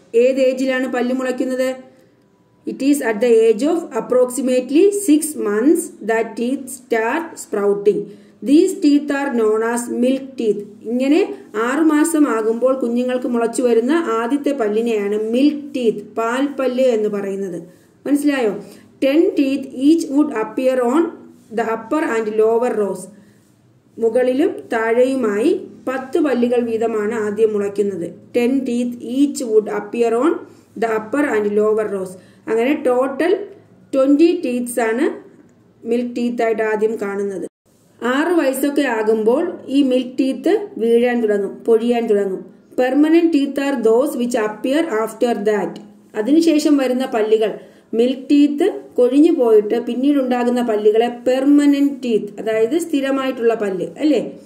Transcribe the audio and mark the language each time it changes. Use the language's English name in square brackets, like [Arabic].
[Malayalam] ഏത് ഏജിലാണ് പല്ല് മുളയ്ക്കുന്നത്? [English] It is at the age of approximately 6 months the teeth start sprouting. These teeth are known as milk teeth. [Malayalam] ഇങ്ങനെ 6 മാസം ആകുമ്പോൾ കുഞ്ഞുങ്ങൾക്ക് മുളച്ചു വരുന്ന ആദ്യത്തെ പല്ലിനെയാണ് മിൽക്ക് ടീത്ത്, പാൽ പല്ല് എന്ന് പറയുന്നത്. മനസ്സിലായോ? [English] 10 teeth each would appear on the upper and lower rows. [Malayalam] മുകളിലും താഴെയുമായി 10 പല്ലുകൾ വീതമാണ് ആദ്യം മുളയ്ക്കുന്നത്. [English] 10 teeth each would appear on the upper and lower rows. [Malayalam] അങ്ങനെ ടോട്ടൽ 20 teeth ആണ് മിൽക്ക് ടീത്ത് ആയിട്ട് ആദ്യം കാണുന്നത്. 6 വയസ്സൊക്കെ ആകുമ്പോൾ ഈ മിൽക്ക് ടീത്ത് വീഴാൻ തുടങ്ങും, പൊഴിയാൻ തുടങ്ങും. [English] Permanent teeth are those which appear after that. [Malayalam] അതിനുശേഷം വരുന്ന പല്ലുകൾ, മിൽക്ക് ടീത്ത് കൊഴിഞ്ഞു പോയിട്ട് പിന്നീടുണ്ടാകുന്ന പല്ലുകളെ പെർമനന്റ് ടീത്ത്, അതായത് സ്ഥിരമായിട്ടുള്ള പല്ല് അല്ലേ.